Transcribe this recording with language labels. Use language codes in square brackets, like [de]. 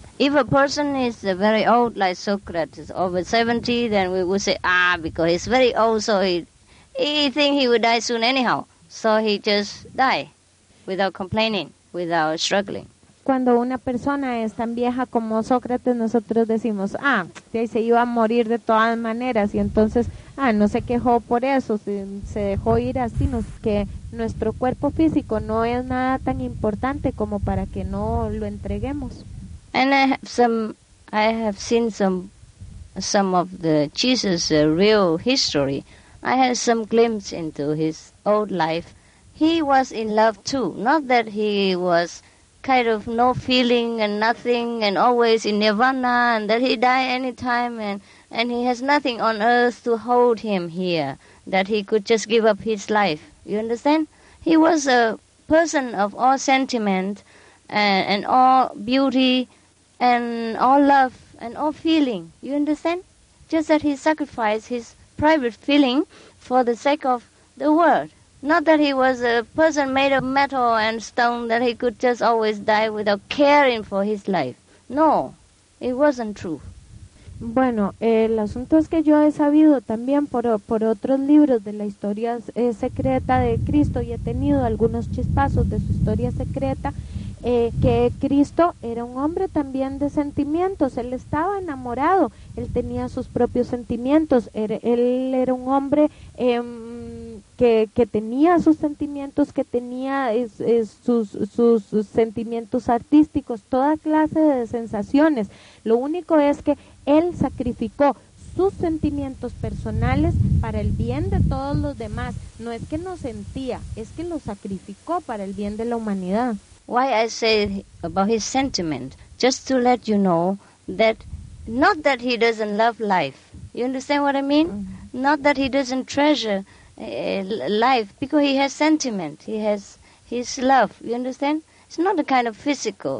[en] If a person is very old, like Socrates, over 70, then we would say, because he's very old, so he think he would die soon anyhow. So he just die without complaining, without struggling. [es] Cuando una persona es tan vieja como Sócrates, nosotros decimos, se iba a morir de todas maneras, y entonces, no se quejó por eso, se dejó ir así, que nuestro cuerpo físico no es nada tan importante como para que no lo entreguemos. [en] And I have seen some of the Jesus' real history. I had some glimpse into his old life. He was in love too. Not that he was kind of no feeling and nothing and always in nirvana and that he die anytime and he has nothing on earth to hold him here, that he could just give up his life. You understand? He was a person of all sentiment and all beauty, and all love and all feeling, you understand? Just that he sacrificed his private feeling for the sake of the world. Not that he was a person made of metal and stone that he could just always die without caring for his life. No, it wasn't true. [es] Bueno, el asunto es que yo he sabido también por otros libros de la historia secreta de Cristo y he tenido algunos chispazos de su historia secreta. Que Cristo era un hombre también de sentimientos, él estaba enamorado, él tenía sus propios sentimientos, él era un hombre que tenía sus sentimientos, que tenía sus sentimientos artísticos, toda clase de sensaciones. Lo único es que él sacrificó sus sentimientos personales para el bien de todos los demás. No es que no sentía, es que lo sacrificó para el bien de la humanidad. [en] Why I say about his sentiment, just to let you know that not that he doesn't love life. You understand what I mean? Mm-hmm. Not that he doesn't treasure life, because he has sentiment. He has his love. You understand? It's not a kind of physical.